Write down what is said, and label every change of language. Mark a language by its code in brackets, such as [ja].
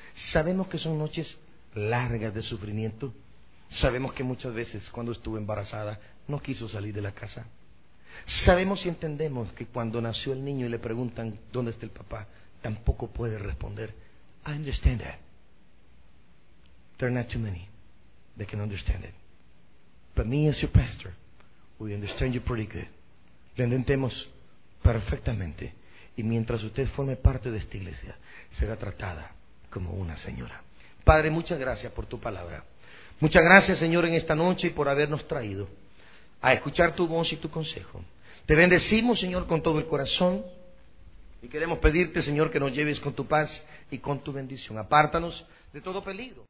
[es] Sabemos que son noches largas de sufrimiento. Sabemos que muchas veces, cuando estuvo embarazada, no quiso salir de la casa. Sabemos y entendemos que cuando nació el niño y le preguntan dónde está el papá, tampoco puede responder. [en] I understand that. There are not too many that can understand it. But me as your pastor, we understand you pretty good. [es] Le entendemos perfectamente. Y mientras usted forme parte de esta iglesia, será tratada como una señora. Padre, muchas gracias por tu palabra. Muchas gracias, Señor, en esta noche y por habernos traído a escuchar tu voz y tu consejo. Te bendecimos, Señor, con todo el corazón. Y queremos pedirte, Señor, que nos lleves con tu paz y con tu bendición. Apártanos de todo peligro.